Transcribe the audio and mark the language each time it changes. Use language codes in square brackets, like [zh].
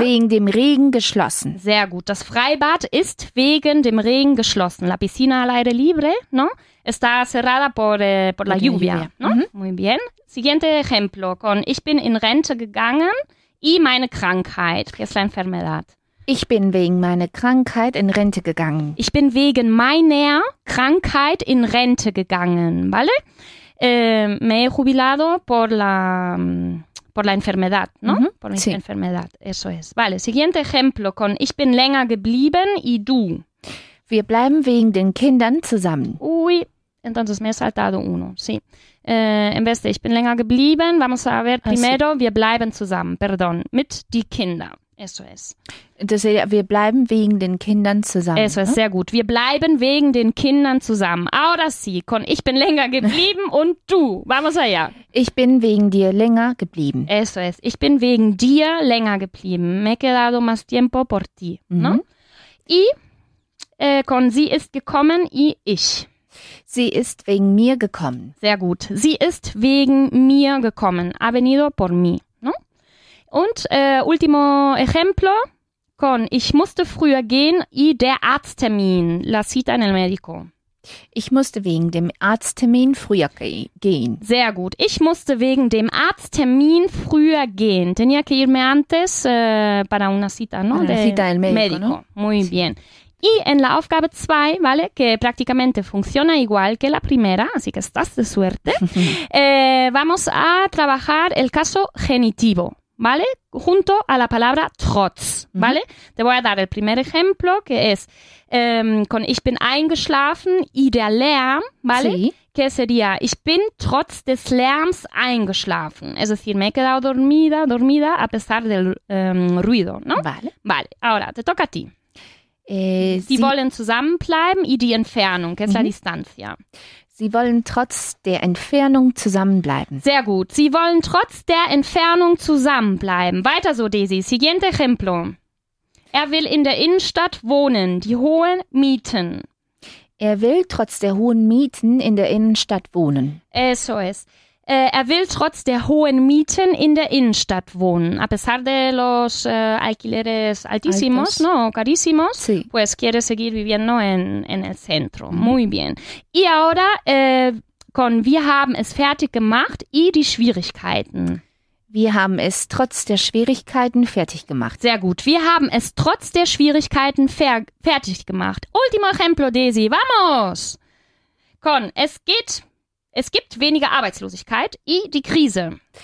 [de] Wegen dem Regen geschlossen. Sehr gut. Das Freibad ist wegen dem Regen geschlossen. [es] La piscina al aire libre, ¿no? Está cerrada por la lluvia, ¿no? Mhm. Muy bien. Siguiente ejemplo. [de] Ich bin in Rente gegangen y meine Krankheit. [es] Que es la enfermedad. [de] Ich bin wegen meiner Krankheit in Rente gegangen. Ich bin wegen meiner Krankheit in Rente gegangen, [es] ¿vale? Me he jubilado por la enfermedad, ¿no? Mm-hmm. Por sí. la enfermedad, eso es. Vale, siguiente ejemplo con [de] ich bin länger geblieben [es] y du. [de] Wir bleiben wegen den Kindern zusammen. [es] Uy, entonces me he saltado uno, sí. En vez de [de] ich bin länger geblieben, [es] vamos a ver primero, [de] wir bleiben zusammen, [es] perdón, [de] mit die Kinder, [es] eso es. Entonces, [de] wir bleiben wegen den Kindern zusammen. [es] Eso es, ¿no? [de] Sehr gut. Wir bleiben wegen den Kindern zusammen. [es] Ahora sí, con [de] ich bin länger geblieben und du. [es] Vamos allá. [de] Ich bin wegen dir länger geblieben. [es] Eso es. [de] Ich bin wegen dir länger geblieben. [es] Me he quedado más tiempo por ti. Mhm. ¿No? Y con [de] sie ist gekommen y ich. Sie ist wegen mir gekommen. Sehr gut. Sie ist wegen mir gekommen. [es] Ha venido por mí. ¿No? Und último ejemplo. Con [de] ich musste früher gehen [es] y [de] der Arzttermin, [es] la cita en el médico. [de] Ich musste wegen dem Arzttermin früher gehen. Sehr gut. Ich musste wegen dem Arzttermin früher gehen. [es] Tenía que irme antes para una cita, ¿no? Para la cita en el médico, médico. ¿No? Muy bien. Y en la Aufgabe 2, ¿vale? Que prácticamente funciona igual que la primera, así que estás de suerte. vamos a trabajar el caso genitivo. ¿Vale? Junto a la palabra trotz, ¿vale? Mm-hmm. Te voy a dar el primer ejemplo, que es con [de] ich bin eingeschlafen [es] y [de] der Lärm, [es] ¿vale? Sí. Que sería ich bin trotz des Lärms eingeschlafen. Es decir, me he quedado dormida a pesar del ruido, ¿no? Vale. Vale, ahora te toca a ti. [de] Sie wollen zusammenbleiben y die Entfernung, [es] que es la distancia. [de] Sie wollen trotz der Entfernung zusammenbleiben. Sehr gut. Sie wollen trotz der Entfernung zusammenbleiben. Weiter so, Daisy. [es] Siguiente ejemplo. [de] Er will in der Innenstadt wohnen. Die hohen Mieten. Er will trotz der hohen Mieten in der Innenstadt wohnen. Eso es. Er will trotz der hohen Mieten in der Innenstadt wohnen. [es] A pesar de los alquileres altísimos, altos. No, carísimos, sí. Pues quiere seguir viviendo en el centro. Mm. Muy bien. Y ahora, con [de] wir haben es fertig gemacht y die Schwierigkeiten. Wir haben es trotz der Schwierigkeiten fertig gemacht. Sehr gut. Wir haben es trotz der Schwierigkeiten fertig gemacht. [es] Último ejemplo, Daisy. Vamos! Con, [de] es gibt weniger Arbeitslosigkeit y die Krise.